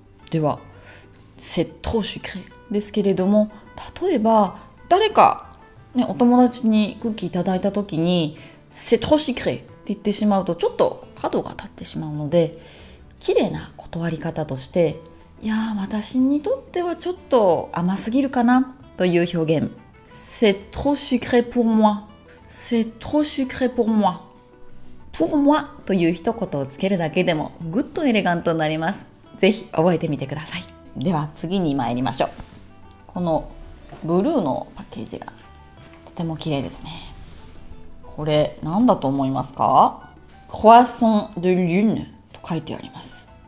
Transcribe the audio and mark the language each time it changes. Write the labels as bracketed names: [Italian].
[Japanese] では [French] C'est trop sucré [Japanese] ですけれども、例えば誰か、ね、お友達にクッキーいただいた時に [French] C'est trop sucré [Japanese] って言ってしまうとちょっと角が立ってしまうので、綺麗な断り方として、いや私にとってはちょっと甘すぎるかなという表現、 [French] C'est trop sucré pour moi. C'est trop sucré pour moi. Pour moi [Japanese] という一言をつけるだけでもグッとエレガントになります。ぜひ覚えてみてください。では次に参りましょう。このブルーのパッケージがとても綺麗ですね。これ何だと思いますか？Croissant de lune と書いてあります。